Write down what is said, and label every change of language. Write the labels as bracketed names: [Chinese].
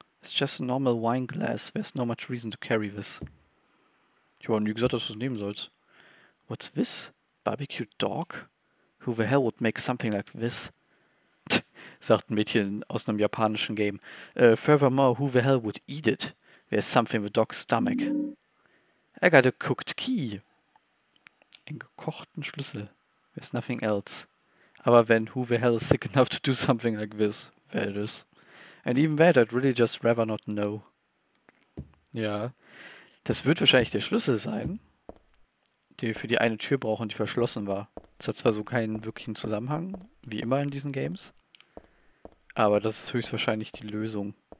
[English] Just a normal wine glass. There's no much reason to carry this. [German] Ich habe nie gesagt, dass du es nehmen sollst. [English] What's this? Barbecue dog? Who the hell would make something like this? [German] Sagt ein Mädchen aus einem japanischen Game. [English] Furthermore, who the hell would eat it? There's something in the dog's stomach. I got a cooked key. [German] Einen gekochten Schlüssel. [English] There's nothing else. [German] Aber wenn [English] who the hell is sick enough to do something like this? [German] Wer ist? [English] And even that, I'd really just rather not know. [German] Ja. Das wird wahrscheinlich der Schlüssel sein, den wir für die eine Tür brauchen, die verschlossen war. Das hat zwar so keinen wirklichen Zusammenhang, wie immer in diesen Games, aber das ist höchstwahrscheinlich die Lösung.